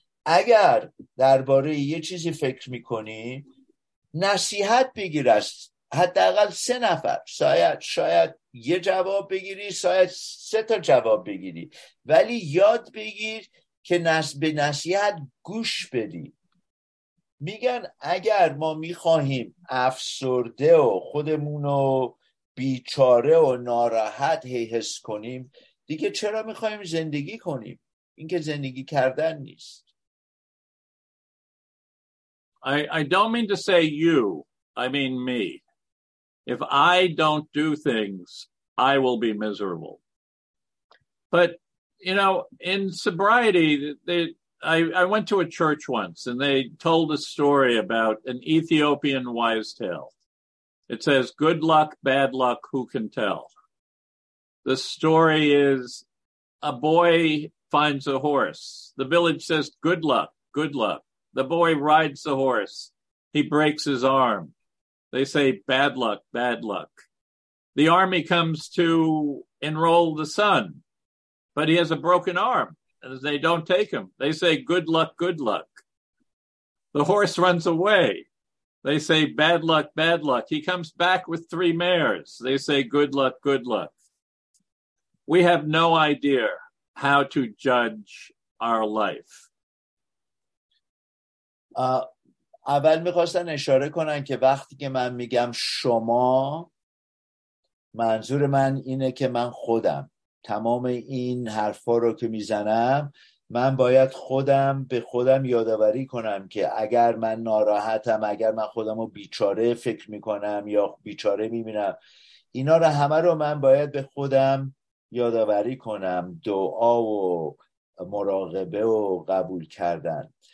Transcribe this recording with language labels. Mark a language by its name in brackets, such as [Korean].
[Persian] اگر درباره یه چیزی فکر میکنی نصیحت بگیر از حداقل سه نفر، شاید یه جواب بگیری، شاید سه تا جواب بگیری، ولی یاد بگیر که به نصیحت گوش بدی. میگن اگر ما میخواهیم افسرده و خودمونو بیچاره و ناراحت هی حس کنیم، دیگه چرا میخواهیم زندگی کنیم؟ این که زندگی کردن نیست. [English] I don't mean to say you, I mean me. If I don't do things, I will be miserable. But, you know, in sobriety, I went to a church once, and they told a story about an Ethiopian wives' tale. It says, good luck, bad luck, who can tell? The story is a boy finds a horse. The village says, good luck, good luck. The boy rides the horse. He breaks his arm. They say, bad luck, bad luck. The army comes to enroll the son, but he has a broken arm, and they don't take him. They say, good luck, good luck. The horse runs away. They say, bad luck, bad luck. He comes back with three mares. They say, good luck, good luck. We have no idea how to judge our life. [Persian] اول میخواستن اشاره کنن که وقتی که من میگم شما، منظور من اینه که من خودم، تمام این حرفا رو که میزنم من باید خودم به خودم یادآوری کنم که اگر من ناراحتم، اگر من خودم رو بیچاره فکر میکنم یا بیچاره میبینم، اینا رو همه رو من باید به خودم یادآوری کنم، دعا و مراقبه و قبول کردن.